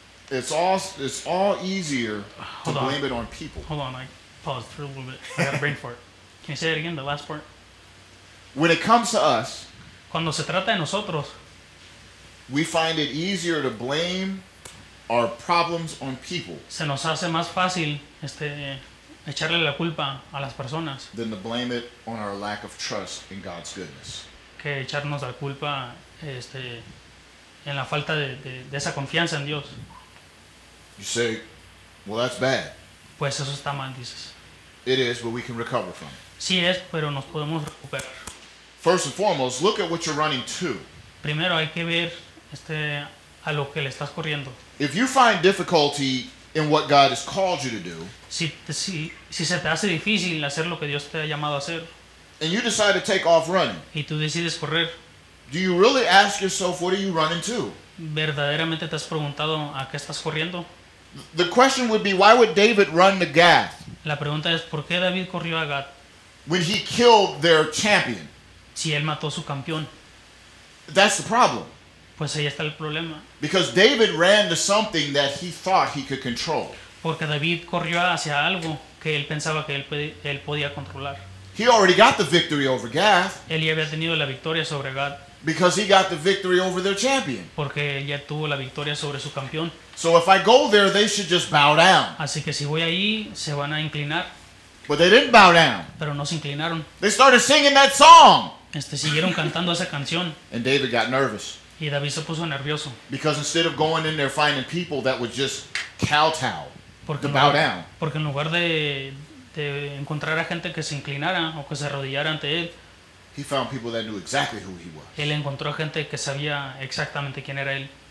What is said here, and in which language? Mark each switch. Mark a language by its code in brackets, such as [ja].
[en] It's all easier to blame it on people. Hold on, I paused for a little bit. I got a brain fart. Can you say that again, the last part? When it comes to us, [es] cuando se trata de nosotros, [en] we find it easier to blame our problems on people. [es] Se nos hace más fácil echarle la culpa a las personas. [en] Than to blame it on our lack of trust in God's goodness. [es] Que echarnos la culpa en la falta de esa confianza en Dios. [en] You say, well, that's bad. [es] Pues eso está mal, dices. [en] It is, but we can recover from it. [es] Sí es, pero nos podemos recuperar. [en] First and foremost, look at what you're running to. [es] Primero hay que ver a lo que le estás corriendo. [en] If you find difficulty in what God has called you to do, [es] si se te hace difícil hacer lo que Dios te ha llamado a hacer, [en] and you decide to take off running, [es] y tú decides correr, [en] do you really ask yourself, what are you running to? [es] ¿Verdaderamente te has preguntado a qué estás corriendo? [en] The question would be, why would David run to Gath? [es] La pregunta es, ¿por qué David corrió a Gath? [en] When he killed their champion. [es] Si él mató su campeón. [en] That's the problem. [es] Pues ahí está el problema. [en] Because David ran to something that he thought he could control. [es] Porque David corrió hacia algo que él pensaba que él podía controlar. [en] He already got the victory over Gath. [es] Él ya había tenido la victoria sobre Gath. [en] Because he got the victory over their champion. [es] Porque ya tuvo la victoria sobre su campeón. [en] So if I go there, they should just bow down. [es] Así que si voy ahí, se van a inclinar. [en] But they didn't bow down. [es] Pero no se inclinaron. [en] They started singing that song. [es] Siguieron cantando esa canción. [en] And David got nervous. [es] Y David se puso nervioso. [en] Because instead of going in there finding people that would just kowtow [es] porque [en] to bow down. [es] Porque en lugar de encontrar a gente que se inclinara o que se arrodillara ante él. [en] He found people that knew exactly who he was. [es] Él encontró gente que sabía exactamente quién era él.